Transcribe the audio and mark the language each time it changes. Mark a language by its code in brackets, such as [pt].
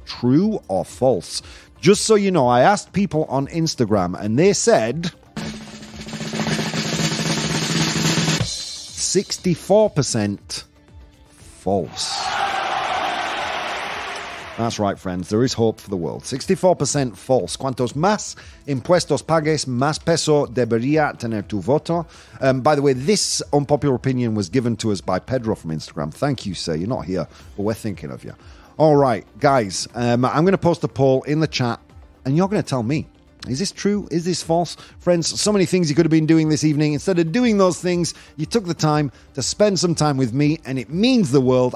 [en] True or false? Just so you know, I asked people on Instagram and they said 64% false. That's right, friends. There is hope for the world. 64% false. [es] Cuantos más impuestos pagues, más peso debería tener tu voto. [en] By the way, this unpopular opinion was given to us by Pedro from Instagram. Thank you, sir. You're not here, but we're thinking of you. All right, guys. I'm going to post a poll in the chat, and you're going to tell me. Is this true? Is this false? Friends, so many things you could have been doing this evening. Instead of doing those things, you took the time to spend some time with me, and it means the world.